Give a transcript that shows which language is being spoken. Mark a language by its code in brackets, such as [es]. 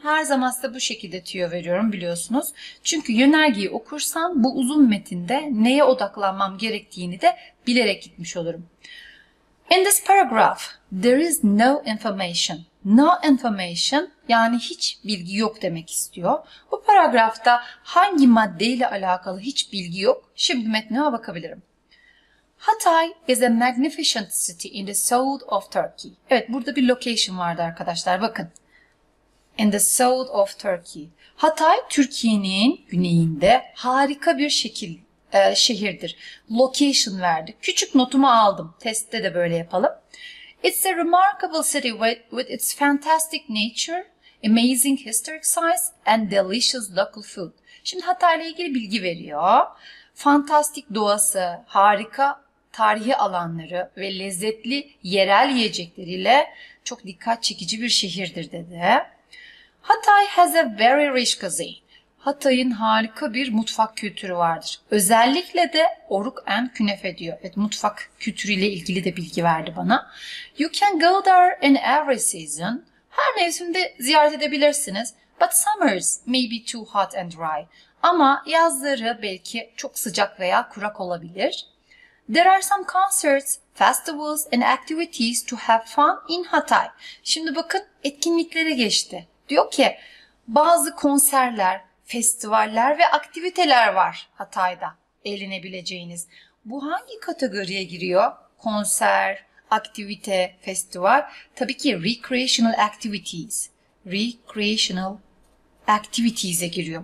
[tr] Her zaman size bu şekilde tüyo veriyorum biliyorsunuz. Çünkü yönergeyi okursam bu uzun metinde neye odaklanmam gerektiğini de bilerek gitmiş olurum. [en] In this paragraph, there is no information. No information [tr] yani hiç bilgi yok demek istiyor. Bu paragrafta hangi maddeyle alakalı hiç bilgi yok? Şimdi metnime bakabilirim. [en] Hatay is a magnificent city in the south of Turkey. [tr] Evet, burada bir location vardı arkadaşlar, bakın. [en] In the south of Turkey. [tr] Hatay, Türkiye'nin güneyinde harika bir şehirdir. Location verdi. Küçük notumu aldım. Testte de böyle yapalım. [en] It's a remarkable city with its fantastic nature, amazing historic sites and delicious local food. [tr] Şimdi Hatay'la ilgili bilgi veriyor. Fantastik doğası, harika tarihi alanları ve lezzetli yerel yiyecekleriyle çok dikkat çekici bir şehirdir dedi. [en] Hatay has a very rich cuisine. [tr] Hatay'ın harika bir mutfak kültürü vardır. Özellikle de oruk and künefe diyor. Evet, mutfak kültürüyle ilgili de bilgi verdi bana. [en] You can go there in every season. [tr] Her mevsimde ziyaret edebilirsiniz. [en] But summers may be too hot and dry. [tr] Ama yazları belki çok sıcak veya kurak olabilir. [en] There are some concerts, festivals and activities to have fun in Hatay. [tr] Şimdi bakın etkinliklere geçti. Diyor ki bazı konserler, festivaller ve aktiviteler var Hatay'da eğlenebileceğiniz. Bu hangi kategoriye giriyor? Konser, aktivite, festival. Tabii ki recreational activities. Recreational activities'e giriyor.